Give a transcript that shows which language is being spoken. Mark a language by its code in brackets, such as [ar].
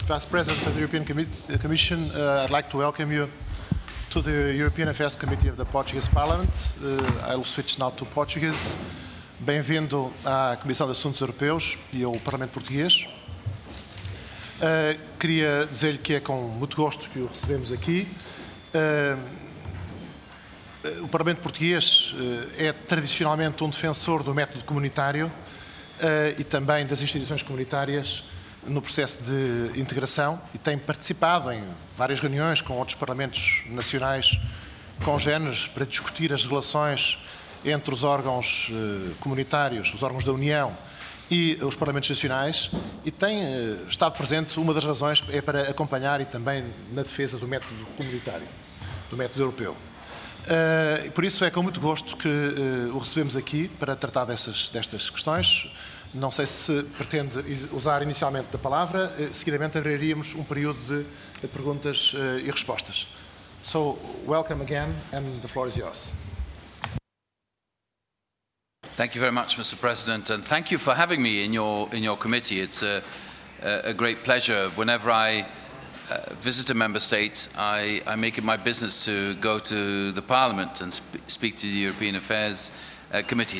[en] Vice President of the European Commission, I'd like to welcome you to the European Affairs Committee of the Portuguese Parliament. I'll switch now to Portuguese. [pt] Bem-vindo à Comissão de Assuntos Europeus e ao Parlamento Português. Queria dizer-lhe que é com muito gosto que o recebemos aqui. O Parlamento Português é tradicionalmente um defensor do método comunitário e também das instituições comunitárias no processo de integração e tem participado em várias reuniões com outros parlamentos nacionais congéneres para discutir as relações entre os órgãos comunitários, os órgãos da União e os parlamentos nacionais e tem estado presente, uma das razões é para acompanhar e também na defesa do método comunitário, do método europeu. Por isso é com muito gosto que o recebemos aqui para tratar destas questões. Não sei se pretende usar inicialmente a palavra, seguidamente abriríamos um período de perguntas e respostas. [en] So, welcome again and the floor is yours. Thank you very much, Mr. President, and thank you for having me in your committee. It's a great pleasure. Whenever I visit a member state, I make it my business to go to the Parliament and speak to the European Affairs Committee.